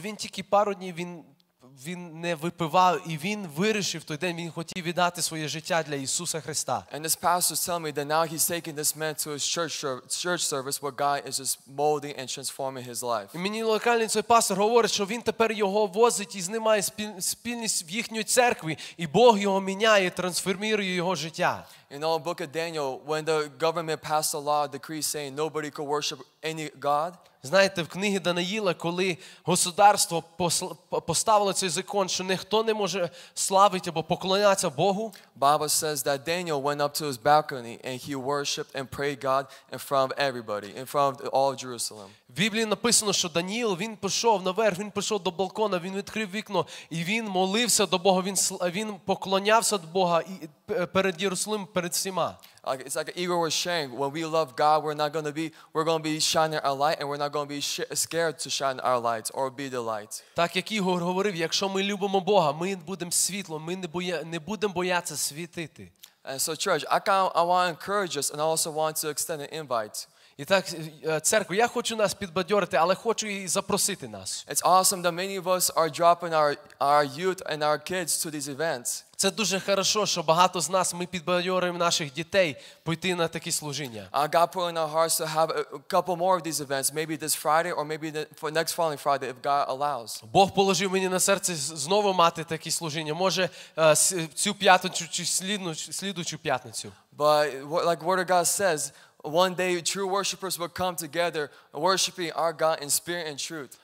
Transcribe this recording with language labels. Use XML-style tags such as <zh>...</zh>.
<uk>Він тільки пару днів він не випивав, і він вирішив той день, він хотів віддати своє життя для Ісуса Христа.</uk> <en>And this pastor tells me that now he's taking this man to his church service where God is just molding and transforming his life.</en> <uk>І мені локальний цей пастор говорить, що він тепер його возить і з ним має спільність в їхній церкві, і Бог його міняє, трансформує його життя.</uk> <en>You know, in the book of Daniel, when the government passed a law, a decree saying nobody could worship any god,</en> <uk>знаєте, в книгі Даниїла, коли государство поставило цей закон, що ніхто не може славити або поклонятися Богу,</uk> <en>Bible says that Daniel went up to his balcony and he worshiped and prayed God in front of everybody, in front of all of Jerusalem.</en> <uk>В Біблії написано, що Даніїл, він пішов наверх, він пішов до балкона, він відкрив вікно, і він молився до Бога, він поклонявся до Бога перед Єрусалимом, перед всіма.</uk> <en>It's like Igor was saying, when we love God, we're going to be shining our light, and we're not going to be scared to shine our lights or be the light.</en> <uk>Так як Ігор говорив, якщо ми любимо Бога, ми будемо світлом, ми не будемо боятися світити.</uk> <en>And so, church, I want to encourage us, and I also want to extend an invite.</en> <uk>І так, церкву, я хочу нас підбадьорити, але хочу і запросити нас.</uk> <en>It's awesome that many of us are dropping our youth and our kids to these events.</en> <uk>Це дуже хорошо, що багато з нас, ми підбадьоримо наших дітей пойти на такі служіння.</uk> <en>God put in our hearts to have a couple more of these events, maybe this Friday or maybe for next following Friday, if God allows.</en> <uk>Бог положив мені на серце знову мати такі служіння, може цю п'ятницю чи слідучу п'ятницю.</uk> <en>But like Word of God says, one day true worshipers will come together worshiping our God in spirit and truth.</en>